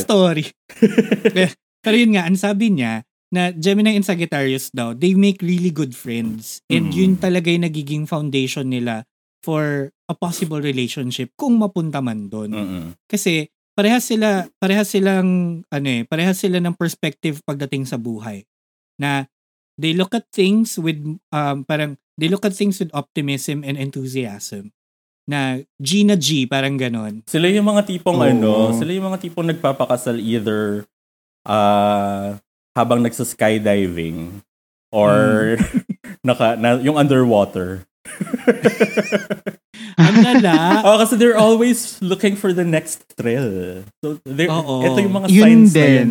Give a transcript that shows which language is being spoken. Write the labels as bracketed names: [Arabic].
[Filipino] May backstory. Pero yun nga, ang sabi niya, na Gemini and Sagittarius daw, [English] they make really good friends. [Filipino] And yun talaga yung nagiging foundation nila [English] for a possible relationship [Filipino] kung mapunta man doon. Kasi parehas sila ng perspective pagdating sa buhay. [English] Na they look at things with optimism and enthusiasm. [Filipino] Na G na G, parang ganun. Sila yung mga tipong sila yung mga tipong nagpapakasal either habang nagsa-skydiving or yung underwater. Ang lala. [English] Oh, kasi they're always looking for the next thrill. [Filipino] So, ito yung mga signs yun din.